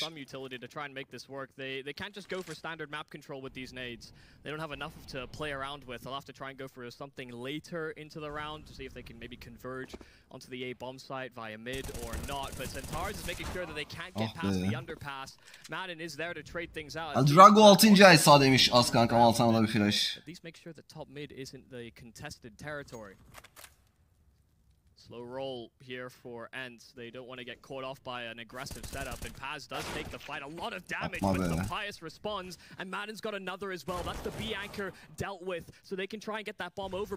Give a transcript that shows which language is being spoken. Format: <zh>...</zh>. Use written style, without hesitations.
<en>Some utility to try and make this work. They can't just go for standard map control with these nades. They don't have enough to play around with. They'll have to try and go for something later into the round to see if they can maybe converge onto the A bomb site via mid or not. But Centaurus is making sure that they can't get past the underpass. Madden is there to trade things out. Drago 6.</en> <tr>ay sağ demiş az kanka, al sana da bir flash.</tr> <en>At least make sure the top mid isn't the contested territory. Low roll here for Ents. They don't want to get caught off by an aggressive setup. And Paz does take the fight. A lot of damage, but the Pius responds. And Madden's got another as well. That's the B anchor dealt with. So they can try and get that bomb over.</en>